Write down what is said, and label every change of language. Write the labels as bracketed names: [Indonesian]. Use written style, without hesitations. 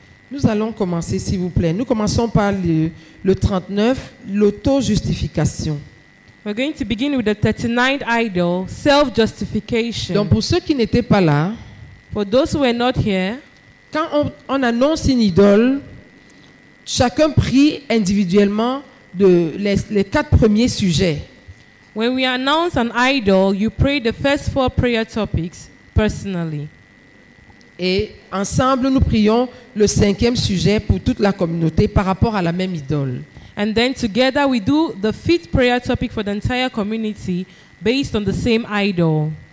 [French] Nous allons commencer, s'il vous plaît. Nous commençons par le 39, l'auto-justification. [English] We're going to begin with the 39th idol, self-justification. [French] Donc pour ceux qui n'étaient pas là, [English] for those who were not here, [French] quand on annonce une idole, chacun prie individuellement de les quatre premiers sujets. [English] When we announce an idol, you pray the first four prayer topics personally. [French] Et ensemble, nous prions le cinquième sujet pour toute la communauté par rapport à la même idole. [English] And then together we do the fifth prayer topic for the entire community based on the same idol.